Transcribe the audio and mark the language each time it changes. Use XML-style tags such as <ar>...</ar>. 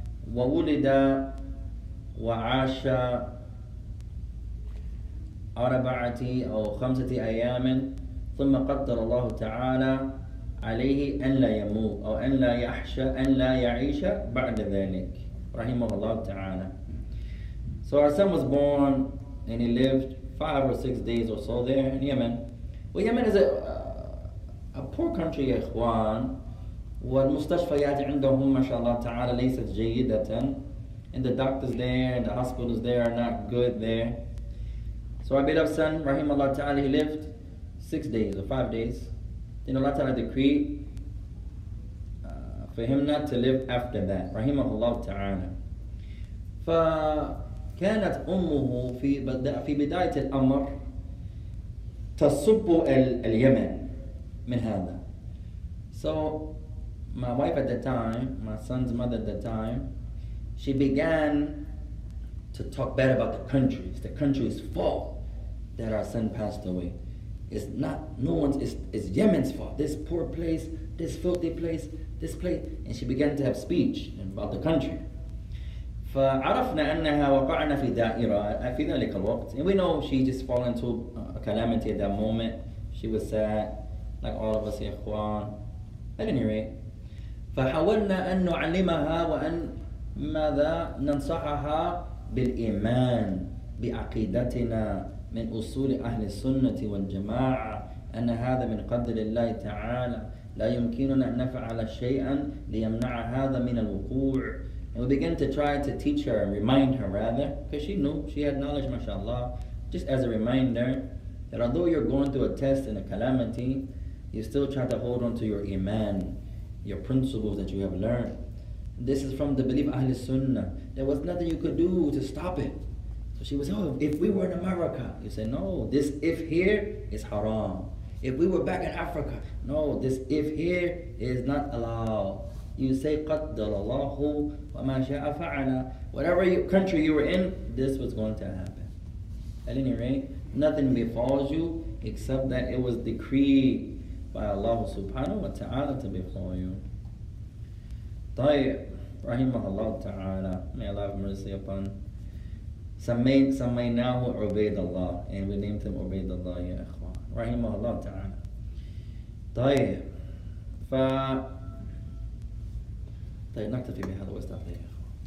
<ar>وَوُلِدَ وَعَاشَ أَرَبَعَةِ أَوْ خَمْسَةِ أَيَامٍ ثُمَّ قَدَّرَ اللَّهُ تَعَالَى عَلَيْهِ أَنْ لَا يَمُوتَ أَوْ أَنْ لَا يَحْشَ أَنْ لَا يَعِيشَ بَعْدَ ذَلِكَ رَحِمَهُ اللَّهُ تَعَالَى.</ar> <en>So our son was born and he lived 5 or 6 days or so there in Yemen. Well, Yemen is a poor country,</en> <ar>إخوان. والمستشفيات عندهم ما شاء الله تعالى ليست جيدة.</ar> <en>And the doctors there and the hospitals there are not good there. So our beloved son,</en> <ar>رحم الله تعالى,</ar> <en>he lived 6 days or 5 days. Then Allah تعالى decreed for him not to live after that.</en> <ar>رحم الله تعالى. فكانت أمه في بداية الأمر تصب اليمن من هذا.</ar> <en>So my wife at the time, my son's mother at the time, she began to talk bad about the country. It's the country's fault that our son passed away. It's not, no one's, it's Yemen's fault. This poor place, this filthy place, this place. And she began to have speech about the country.</en> <ar>فعرفنا أنها وقعنا في دائرة في ذلك الوقت.</ar> <en>And we know she just fell into a calamity at that moment. She was sad, like all of us,</en> <ar>يا إخوان.</ar> <en>At any rate,</en> <ar>فحاولنا أن نعلمها وأن ماذا ننصحها بالإيمان بعقيدتنا من أصول أهل السنة والجماعة أن هذا من قدر الله تعالى لا يمكننا أن نفعل شيئا ليمنع هذا من الوقوع.</ar> <en>And we began to try to teach her, remind her rather, because she knew, she had knowledge, mashallah, just as a reminder that although you're going through a test and a calamity, you still try to hold on to your iman, your principles that you have learned. This is from the belief of Ahl Sunnah. There was nothing you could do to stop it. So she was, oh, if we were in America, you say, no, this if here is haram. If we were back in Africa, no, this if here is not allowed. You say,</en> <ar>قَدَّلَ اللَّهُ وَمَا شَاءَ فَعَلَ.</ar> <en>Whatever country you were in, this was going to happen. At any rate, nothing befalls you except that it was decreed by Allah subhanahu wa ta'ala to befall you.</en> <ar>طيب رحمه الله تعالى.</ar> <en>May Allah have mercy upon.</en> <ar>سميناه عبيد الله.</ar> <en>And we named him عبيد الله</en> <ar>يا إخوان. رحمه الله تعالى. طيب. ف طيب نكتفي بهذا واستعطيه يا إخوان.</ar>